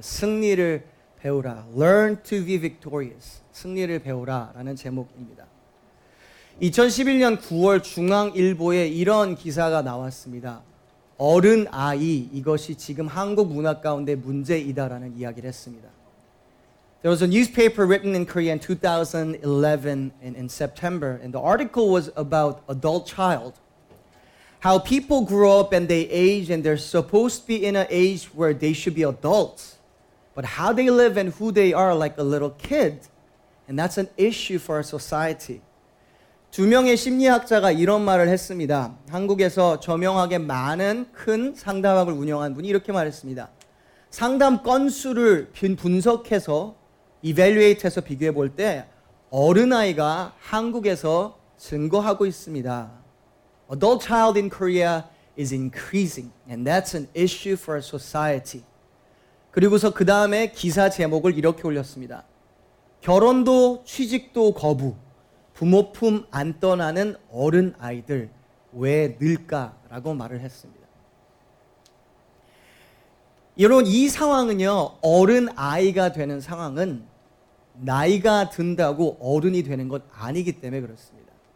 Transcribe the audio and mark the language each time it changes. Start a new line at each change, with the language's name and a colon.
Korean: 승리를 배우라.
English: Learn to be victorious.
Korean: 승리를 배우라라는 제목입니다. 2011년 9월 중앙일보에 이런 기사가 나왔습니다. 어른 아이, 이것이 지금 한국 문화 가운데 문제이다라는 이야기를 했습니다.
English: There was a newspaper written in Korea in 2011 in September, and the article was about adult child. How people grow up and they age and they're supposed to be in an age where they should be adults. But how they live and who they are like a little kid. And that's an issue for our society.
Korean: 두 명의 심리학자가 이런 말을 했습니다. 한국에서 저명하게 많은 큰 상담학을 운영한 분이 이렇게 말했습니다. 상담 건수를 분석해서, evaluate해서 비교해 볼 때 어른아이가 한국에서 증가하고 있습니다.
English: Adult child in Korea is increasing, and that's an issue for our society.
Korean: 그리고서 그 다음에 기사 제목을 이렇게 올렸습니다. 결혼도 취직도 거부, 부모 품 안 떠나는 어른 아이들 왜 늘까라고 말을 했습니다. 여러분, 이 상황은요, 어른 아이가 되는 상황은 나이가 든다고 어른이 되는 것 아니기 때문에 그렇습니다.